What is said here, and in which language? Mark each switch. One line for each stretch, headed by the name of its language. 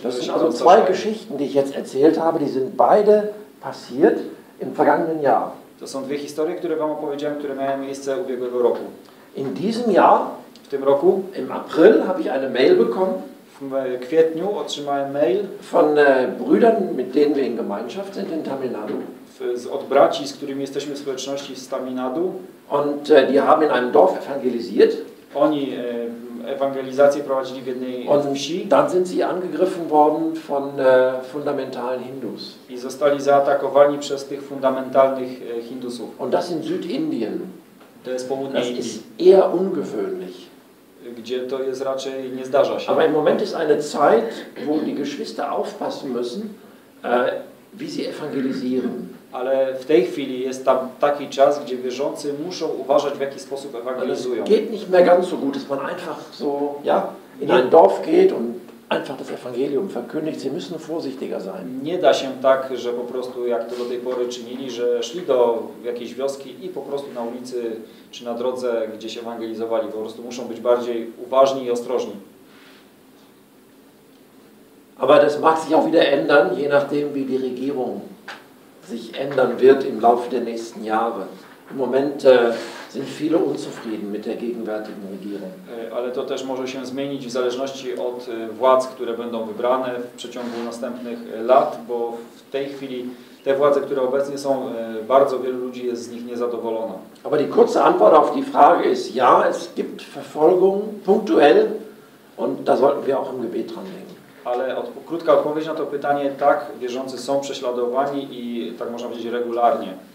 German: das sind also zwei Geschichten, die ich jetzt erzählt habe, die sind beide passiert im vergangenen Jahr.
Polish: To są dwie historie, które wam opowiedziałem, które miały miejsce ubiegłego roku.
German: In diesem Jahr,
Polish: w tym roku,
German: im April habe ich eine Mail bekommen.
Polish: W kwietniu otrzymałem mail
German: von Brüdern, mit denen wir in Gemeinschaft sind in Tamil Nadu.
Polish: Od braci, z którymi jesteśmy w społeczności z Tamil Nadu.
German: Und die haben in einem Dorf evangelisiert.
Polish: Oni ewangelizację prowadzili w jednej wsi.
German: Dann sind sie angegriffen worden von fundamentalen Hindus.
Polish: I zostali zaatakowani przez tych fundamentalnych Hindusów.
German: Und das in Südindien.
Polish: To jest południe Indii.
German: Das ist eher ungewöhnlich.
Polish: Gdzie to jest raczej nie zdarza się.
German: Aber im Moment ist eine Zeit, wo die Geschwister aufpassen müssen, wie sie evangelisieren.
Polish: Ale w tej chwili jest tam taki czas, gdzie wierzący muszą uważać, w jaki sposób ewangelizują.
German: Es geht nicht mehr ganz so gut, dass man einfach so, ja, in ein Dorf geht und einfach das Evangelium verkündigt. Sie müssen vorsichtiger sein.
Polish: Nie da się tak, że po prostu, jak to do tej pory czynili, że szli do jakiejś wioski i po prostu na ulicy czy na drodze, gdzie się ewangelizowali. Po prostu muszą być bardziej uważni i ostrożni.
German: Aber das mag sich auch wieder ändern, je nachdem, wie die Regierung sich ändern wird im Laufe der nächsten Jahre. Im Moment sind viele unzufrieden mit der gegenwärtigen Regierung.
Polish: Ale to też może się zmienić w zależności od władz, które będą wybrane w przeciągu następnych lat, bo w tej chwili te władze, które obecnie są, bardzo wielu ludzi jest z nich niezadowolona.
German: Aber die kurze Antwort auf die Frage ist ja, es gibt Verfolgung punktuell und da sollten wir auch im Gebet dran denken.
Polish: Ale krótka odpowiedź na to pytanie, tak, wierzący są prześladowani i tak można powiedzieć regularnie.